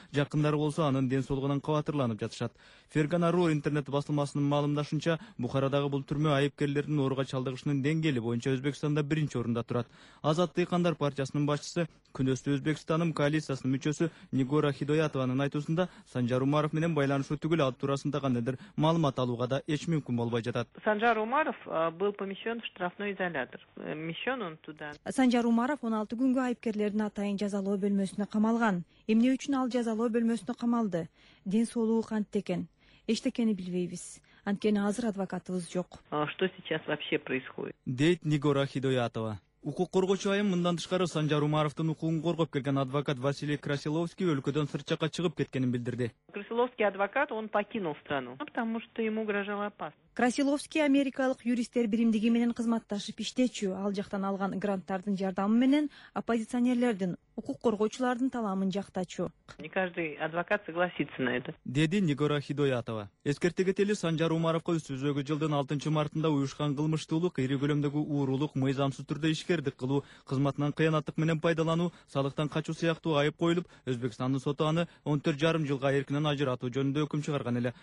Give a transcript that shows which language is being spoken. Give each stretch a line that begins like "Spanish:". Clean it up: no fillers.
Kyrgyz: Жакындары болсо анын ден соолугунан кабатырланып жатышат. Фергана Ру интернет басылмасынын маалымдашынча, Бухарадагы бул түрмө айыпкерлердин ооруга чалдыгышынын деңгээли боюнча Өзбекстанда биринчи орунда турат. Азат Дыйкандар партиясынын башчысы, күнөстүү Өзбекстанын коалициясынын мүчөсү Нигора Хидоятованын айтуусунда Санжар Умаров менен байланышуу түгүл ал туурасында кандайдыр маалымат алууга да эч мүмкүн болбой жатат.
Russian: Санжар Умаров был помещен в штрафной изолятор.
Kyrgyz: Санжар Умаров 16 күнгө айыпкерлердин атайын жазалоо бөлмөсүнө камалган. Эмне үчүн ал жазалоо бөлмөсүнө камалды? Ден соолугу кантте экен? Эчтекени билбейбиз. Анткени азыр адвокатыбыз жок.
Russian: Что сейчас вообще происходит?
Kyrgyz: Дейт Нигора Хидоятова. Укук коргоочу айым мындан тышкары Санжар Умаровдун укугун коргоп келген адвокат Василий Красиловский өлкөдөн сырт жака чыгып кеткенин билдирди.
Russian: Красиловский адвокат, он покинул страну, потому что ему угрожала опасность.
Kyrgyz: Красиловский америкалык юристтер биримдиги менен кызматташып иштечү, ал жактан алган гранттардын жардамы менен оппозиционерлердин, укук коргоочулардын талабын жактачу.
Russian: Не каждый адвокат согласится на это.
Kyrgyz: Деди Нигора Хидоятова. Эскерте кетели Санжар Умаровко өз сөзөгү жылдын 6 мартында уюшкан кылмыштуулук, ири көлөмдөгү уурулук, мыйзамсыз түрдө ишкердик кылуу, кызматынан кыянаттык менен пайдалануу, салыктан качуу сыяктуу айып коюлуп, Өзбекстандын соту аны 14.5 жылга эркинен ажыратуу жөнүндө өкүм чыгарган эле.